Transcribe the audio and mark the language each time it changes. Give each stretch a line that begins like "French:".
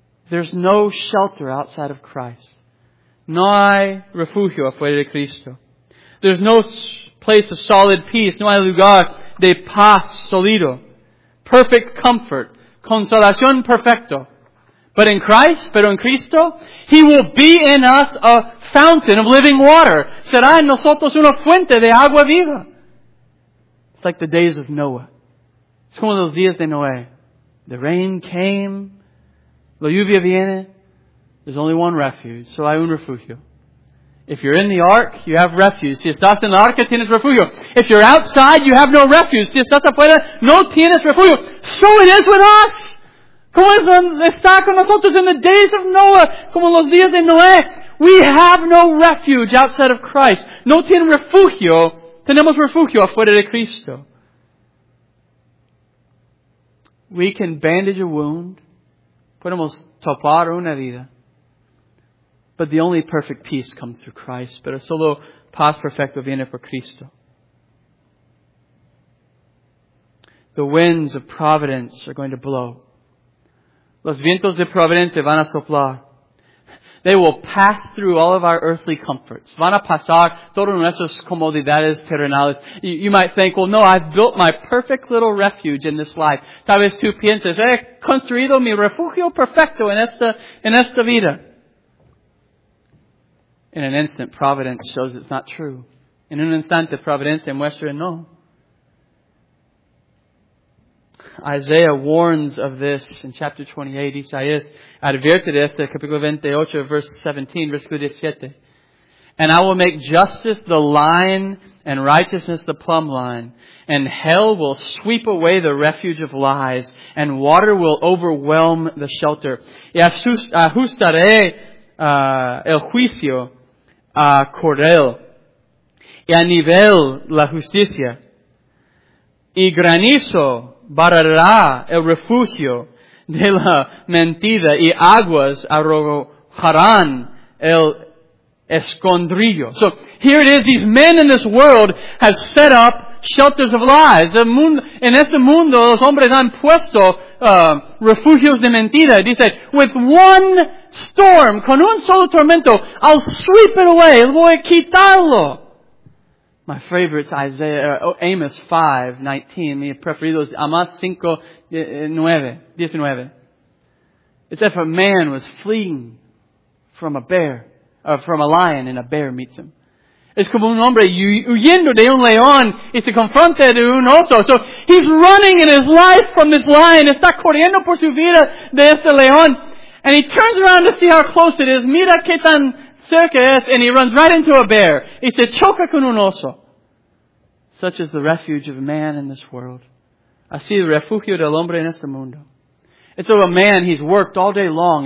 English: There's no shelter outside of Christ.
Spanish: No hay refugio afuera de Cristo.
English: There's no place of solid peace.
Spanish: No hay lugar de paz solido.
English: Perfect comfort.
Spanish: Consolación perfecto.
English: But in Christ,
Spanish: pero en Cristo,
English: He will be in us a fountain of living water.
Spanish: Será en nosotros una fuente de agua viva.
English: It's like the days of Noah.
Spanish: Es como los días de Noé.
English: The rain came.
Spanish: La lluvia viene.
English: There's only one refuge. So
Spanish: hay un refugio.
English: If you're in the ark, you have refuge.
Spanish: Si estás en la arca, tienes refugio.
English: If you're outside, you have no refuge.
Spanish: Si estás afuera, no tienes refugio.
English: So it is with us.
Spanish: Como está con nosotros
English: in the days of Noah.
Spanish: Como los días de Noé.
English: We have no refuge outside of Christ.
Spanish: No tienen refugio. Tenemos refugio afuera de Cristo.
English: We can bandage a wound.
Spanish: Podemos tapar una herida.
English: But the only perfect peace comes through Christ.
Spanish: Pero solo paz perfecto viene por Cristo.
English: The winds of providence are going to blow.
Spanish: Los vientos de providencia van a soplar.
English: They will pass through all of our earthly comforts.
Spanish: Van a pasar todas nuestras comodidades terrenales.
English: You might think, well, no, I've built my perfect little refuge in this life.
Spanish: Tal vez tú pienses, he construido mi refugio perfecto en esta vida.
English: In an instant, providence shows it's not true.
Spanish: En un instante, providencia muestra no.
English: Isaiah warns of this in chapter 28.
Spanish: Isaías advierte de este, capítulo 28,
English: verse 17,
Spanish: versículo 17.
English: And I will make justice the line and righteousness the plumb line. And hell will sweep away the refuge of lies. And water will overwhelm the shelter.
Spanish: Y ajustaré el juicio a cordel. Y a nivel la justicia. Y granizo barrerá el refugio de la mentira. Y aguas arrojarán el escondrillo.
English: So here it is. These men in this world have set up shelters of lies.
Spanish: En este mundo, los hombres han puesto refugios de mentira.
English: He said, with one storm,
Spanish: con un solo tormento,
English: I'll sweep it away.
Spanish: Voy a quitarlo.
English: My favorite's Amos 5:19.
Spanish: Mi preferido es Amos 5:19.
English: It says, if a man was fleeing from a bear, from a lion, and a bear meets him.
Spanish: Es como un hombre huyendo de un león y se confronta de un oso.
English: So he's running in his life from this lion.
Spanish: Está corriendo por su vida de este león.
English: And he turns around to see how close it is.
Spanish: Mira qué tan cerca es.
English: And he runs right into a bear.
Spanish: Y se choca con un oso.
English: Such is the refuge of man in this world.
Spanish: Así el refugio del hombre en este mundo.
English: It's of a man, he's worked all day long.